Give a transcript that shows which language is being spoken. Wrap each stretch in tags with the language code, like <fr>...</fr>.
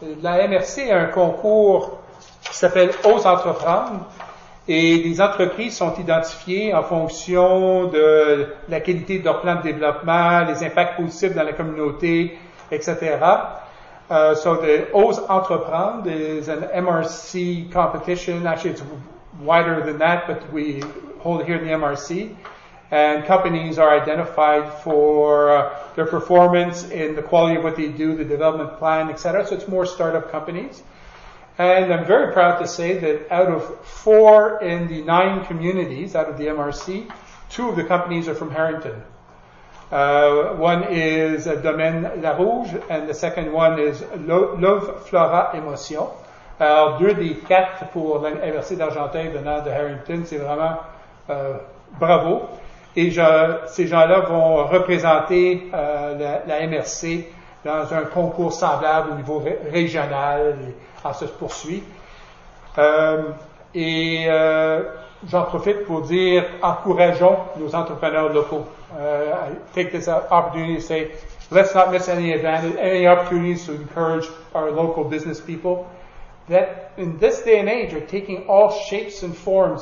<fr>La MRC a un concours qui s'appelle Ose entreprendre. Et les entreprises sont identifiées en fonction de la qualité de leur plan de développement, les impacts positifs dans la communauté, etc.</fr> <en>So the Ose entreprendre is an MRC competition. Actually, it's wider than that, but we hold it here in the MRC. And companies are identified for their performance in the quality of what they do, the development plan, etc. So it's more startup companies. And I'm very proud to say that out of four in the nine communities out of the MRC, two of the companies are from Harrington. One is Domaine La Rouge, and the second one is Love Flora Émotion.</en> <fr>Alors, deux des quatre pour la MRC d'Argentin venant de Harrington, c'est vraiment bravo. Et ces gens-là vont représenter la MRC dans un concours semblable au niveau régional, et ça se poursuit. J'en profite pour dire, encourageons nos entrepreneurs locaux.</fr> <en>Take this opportunity to say, let's not miss any advantage, any opportunities to encourage our local business people. That in this day and age are taking all shapes and forms.</en>